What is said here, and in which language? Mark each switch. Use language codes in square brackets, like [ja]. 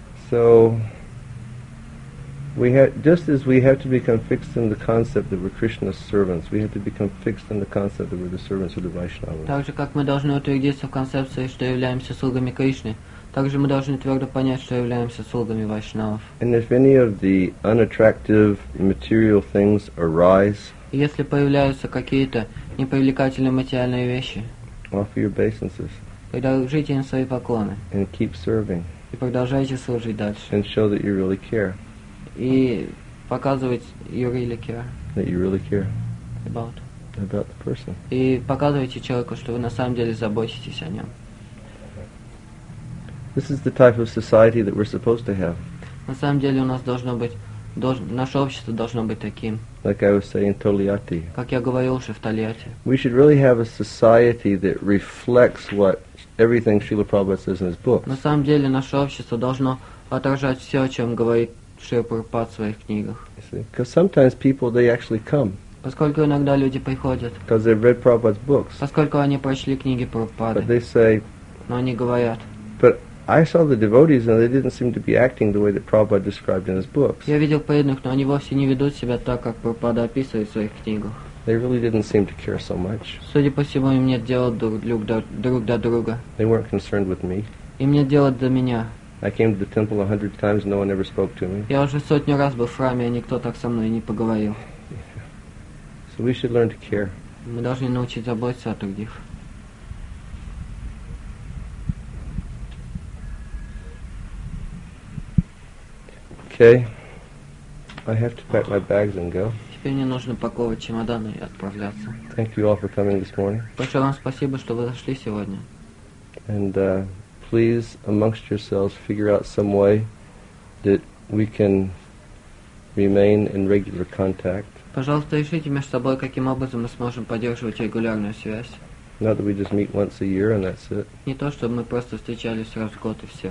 [en] So we have, just as we have to become fixed in the concept that we're Krishna's servants, we have to become fixed in the concept that we're the servants of the Vaishnavas. [ru] Так же как мы должны утвердиться в концепции, что являемся слугами Кришны, так же мы должны твердо понять, что являемся слугами Вайшнавов. [en] And if any of the unattractive material things arise, [ru] если появляются какие-то непривлекательные материальные вещи, [en] offer your obeisances, [ru] предложите им свои поклоны, [en] and keep serving, [ru] и продолжайте служить дальше, [en] and show that you really care, [ru] и показывать, [en] you really care, that you really care about the person, [ru] и показывайте человеку, что вы на самом деле заботитесь о нем. [en] This is the type of society that we're supposed to have. [ru] На самом деле у нас должно быть, наше общество должно быть таким. [en] Like I was saying, Toliati. [ru] Как я говорил уже в Тольятти. [en] We should really have a society that reflects what everything Srila Prabhupada says in his books. [ru] На самом деле, наше общество должно отражать все, о чем говорит Шрила Прабхупада в своих книгах. [en] Because sometimes people, they actually come. [ru] Поскольку иногда люди приходят. [en] Because they've read Prabhupada's books. [ru] Поскольку они прочли книги Прабхупады. [en] But they say. [ru] Но они говорят. [en] But I saw the devotees and they didn't seem to be acting the way that Prabhupada described in his books. [ru] Я видел преданных, но они вовсе не ведут себя так, как Прабхупада описывает в своих книгах. [en] They really didn't seem to care so much. [ru] Судя по всему, им нет дела друг до друга. [en] They weren't concerned with me. [ru] Им нет дела до меня. [en] I came to the temple 100 times and no one ever spoke to me. [ru] Я уже сотню раз был в храме, и никто так со мной не поговорил. [en] So we should learn to care. [ru] Мы должны научить заботиться о других. [en] Okay, I have to pack my bags and go. [ru] Теперь мне нужно паковать чемоданы и отправляться. [en] Thank you all for coming this morning. [ru] Большое вам спасибо, что вы зашли сегодня. [en] And please, amongst yourselves, figure out some way that we can remain in regular contact. [ru] Пожалуйста, решите между собой, каким образом мы сможем поддерживать регулярную связь. [en] Not that we just meet once a year and that's it. [ru] Не то, чтобы мы просто встречались раз в год и все.